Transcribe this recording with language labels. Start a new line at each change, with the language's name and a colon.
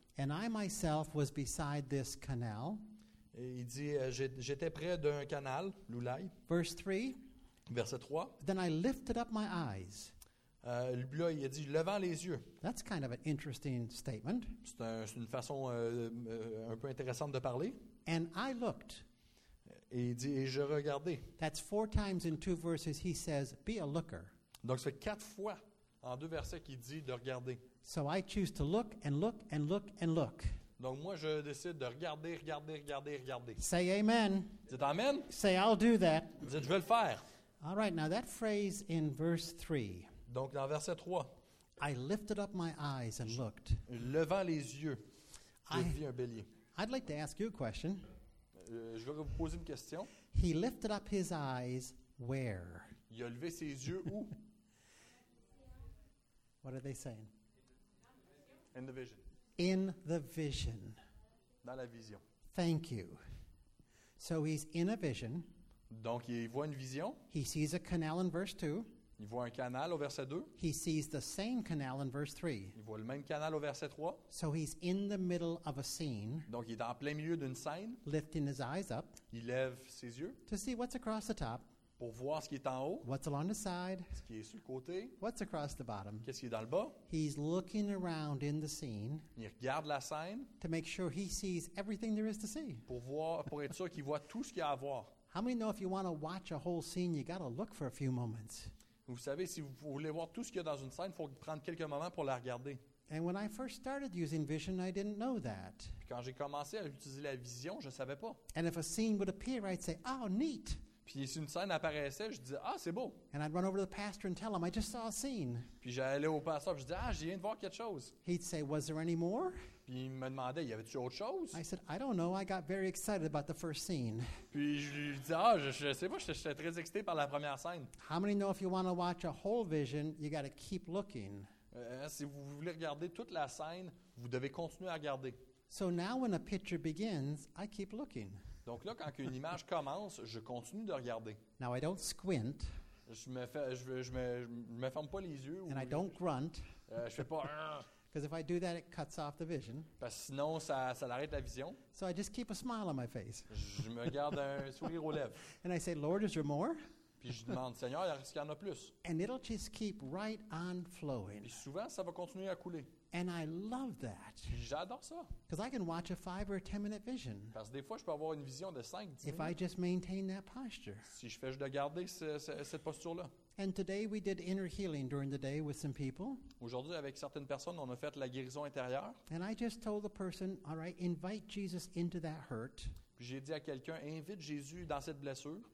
English: And I myself was beside this canal.
French: Et il dit, j'étais près d'un canal, l'Oulai.
English: Verse 3.
French: Verset 3.
English: Then I lifted up my eyes.
French: Là, il a dit, levant les yeux.
English: That's kind of an interesting statement.
French: C'est une façon un peu intéressante de parler.
English: And I looked.
French: Et il dit, et je regardais.
English: That's four times in two verses he says, be a looker.
French: Donc, c'est quatre fois en deux versets qu'il dit de regarder.
English: So I choose to look and look and look and look.
French: Donc, moi, je décide de regarder, regarder, regarder, regarder.
English: Say amen.
French: Dites amen.
English: Say, I'll do that.
French: Dites, je vais le faire.
English: All right, now that phrase in verse 3.
French: Donc, dans verset 3.
English: I lifted up my eyes and looked.
French: Levant les yeux, j'ai vu un bélier.
English: I'd like to ask you a question.
French: Je vais vous poser une question.
English: He lifted up his eyes where?
French: Il a levé ses yeux où?
English: What are they saying? In the vision. In the vision.
French: Dans la vision.
English: Thank you. So he's in a vision.
French: Donc il voit une vision.
English: He sees a canal in verse 2.
French: Il voit un canal au verset 2.
English: He sees the same canal in verse 3.
French: Il voit le même canal au verset 3.
English: So he's in the middle of a scene.
French: Donc il est en plein milieu d'une scène.
English: Lifting his eyes up.
French: Il lève ses yeux.
English: To see what's across the top.
French: Pour voir ce qui est en haut.
English: What's along the side.
French: Ce qui est sur le côté.
English: What's across the bottom.
French: Qu'est-ce qui est dans le bas.
English: He's looking around in the scene.
French: Il regarde la scène.
English: To make sure he sees everything there is to see.
French: Pour voir, pour être sûr qu'il voit tout ce qu'il y a à voir.
English: How many know if you want to watch a whole scene, you got to look for a few moments.
French: Vous savez, si vous voulez voir tout ce qu'il y a dans une scène, il faut prendre quelques moments pour la regarder.
English: And when I first started using vision, I didn't know that.
French: Puis quand j'ai commencé à utiliser la vision, je ne savais pas.
English: And if a scene would appear, I'd say, oh, neat.
French: Puis si une scène apparaissait, je disais, ah, c'est beau.
English: And I'd run over to the pastor and tell him, I just saw a scene.
French: Puis j'allais au pasteur et je disais, ah, j'ai viens de voir quelque chose.
English: He'd say, was there any more?
French: Puis il me demandait, y avait-tu autre chose?
English: I said, I don't know, I got very excited about the first scene.
French: Puis je lui disais, ah, je sais pas, j'étais très excité par la première scène.
English: How many know if you want to watch a whole vision, you got to keep looking?
French: Si vous voulez regarder toute la scène, vous devez continuer à regarder.
English: So now when a picture begins, I keep looking.
French: Donc là, quand une image commence, je continue de regarder.
English: Now I don't squint.
French: Je me ferme pas les yeux.
English: And I don't grunt.
French: Je fais pas.
English: Because if I do that, it cuts off the vision.
French: Parce que sinon, ça arrête la vision.
English: So I just keep a smile on my face.
French: Je me garde un sourire aux lèvres.
English: And I say, Lord, is there more?
French: Puis je demande, Seigneur, est-ce qu'il y en a plus?
English: And it'll just keep right on flowing.
French: Puis souvent, ça va continuer à couler.
English: And I love that.
French: J'adore ça.
English: Because I can watch a 5 or 10 minute vision.
French: Parce que des fois, je peux avoir une vision de 5, 10 minutes.
English: If I just maintain that posture.
French: Si je fais juste de garder cette posture-là.
English: And today we did inner healing during the day with some people.
French: Aujourd'hui, avec certaines personnes, on a fait la guérison intérieure.
English: And I just told the person, all right, invite Jesus into that hurt.
French: Puis j'ai dit à quelqu'un, invite Jésus dans cette blessure.